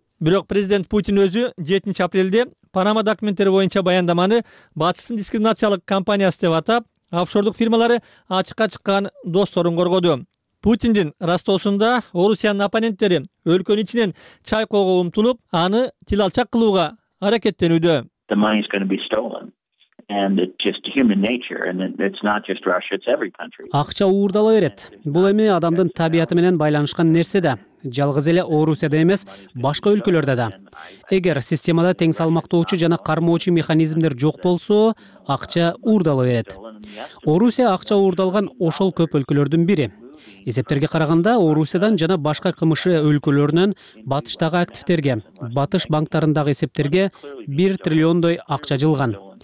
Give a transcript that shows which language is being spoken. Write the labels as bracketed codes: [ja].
[ky] Бирок президент Путин өзү 7 апрелде Панама документтери боюнча баяндаманы батыстын дискриминациялык компаниясы деп атап, офшордук фирмалары ачыкка чыккан досторун коргоду. Путиндин ростосунда Орусиянын оппоненттери өлкөнүн ичинен чайкоого умтулуп, аны тил алчак кылууга аракеттенүүдө. [en] The money is going to be stolen. And it's just human nature, and it's not just Russia, it's every country. [ky] Акча уурдала берет. Бул эми адамдын табияты менен байланышкан нерсе да. жалгыз эле Орусияда эмес, башка өлкөлөрдө да. Эгер системада тең салмактоочу жана кармоочу механизмдер жок болсо, акча уурдала берет. Орусия акча уурдалган ошол көп өлкөлөрдүн бири. Эсептерге караганда, Орусиядан жана башка КМШ өлкөлөрүнөн батыштагы активтерге, батыш банктарындагы эсептерге 1 триллиондой акча жылган.